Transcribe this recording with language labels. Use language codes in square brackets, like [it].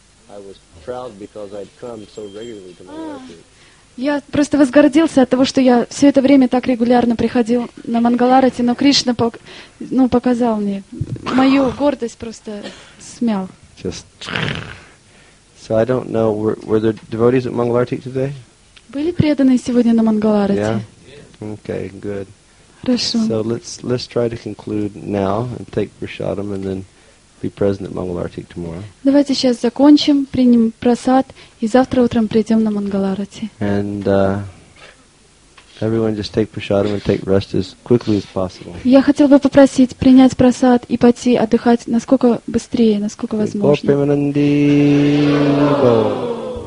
[en] I was proud because I'd come so regularly to Mangalarati. [ru] Я просто возгордился от того, что я все это время так регулярно приходил на Мангаларати, но Кришна показал мне. Мою гордость просто смял. [en] Just... So I don't know, were there devotees at Mangalarati today? [ru] Были преданные сегодня на Мангаларати? [en] Yeah? Okay, good. [ru] Хорошо. [en] So let's try to conclude now and take prasadam and then be present at Mangalarati tomorrow. [ru] Давайте сейчас закончим, примем прасад и завтра утром придем на Мангаларати. [en] And everyone just take prasadam and take rest as quickly as possible. [ru] Я хотел бы попросить принять прасад и пойти отдыхать насколько быстрее, насколько возможно.